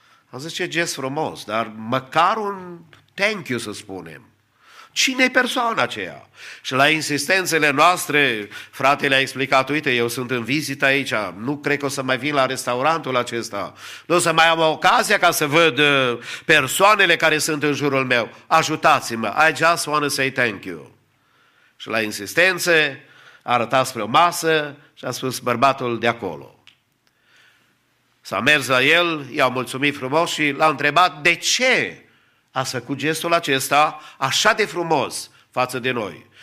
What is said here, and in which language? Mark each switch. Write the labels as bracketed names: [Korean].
[Romanian] Am zis, ce gest frumos, dar măcar un [English] thank you, [Romanian] să spunem. Cine e persoana aceea? Și la insistențele noastre, fratele a explicat, uite, eu sunt în vizită aici, nu cred că o să mai vin la restaurantul acesta, nu o să mai am ocazia ca să văd persoanele care sunt în jurul meu. Ajutați-mă, [English] I just want to say thank you. [Romanian] Și la insistențe, a arătat spre o masă și a spus, bărbatul de acolo. S-a mers la el, i-a mulțumit frumos și l-a întrebat, de ce? Ați făcut gestul acesta așa de frumos față de noi.